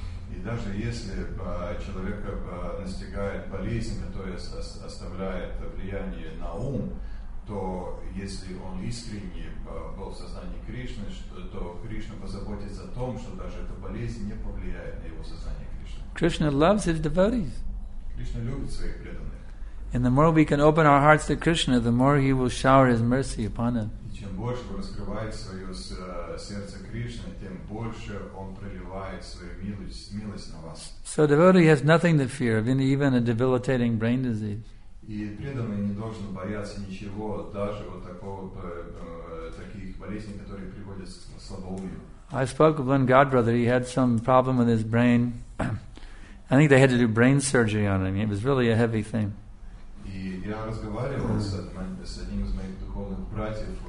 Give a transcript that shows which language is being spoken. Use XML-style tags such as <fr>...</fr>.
<ru>И даже если человека настигает болезнь, которая оставляет влияние на ум, то если он искренне был в сознании Кришны, то Кришна позаботится о том, что даже эта болезнь не повлияет на его сознание Кришны.</ru> <en>Krishna loves his devotees.</en> <ru>Кришна любит своих преданных.</ru> <en>And the more we can open our hearts to Krishna, the more he will shower his mercy upon us.</en> <ru>И чем больше вы раскрываете свое сердце Кришне, тем больше он проливает свою милость на вас.</ru> <en>So devotee has nothing to fear, even a debilitating brain disease.</en> <ru>И преданный не должен бояться ничего, даже вот такого таких болезней, которые приводят к слабоумию.</ru> <en>I spoke with one god brother. He had some problem with his brain. I think they had to do brain surgery on him. It was really a heavy thing.</en> <ru>И я разговаривал с одним из моих духовных братьев.</ru>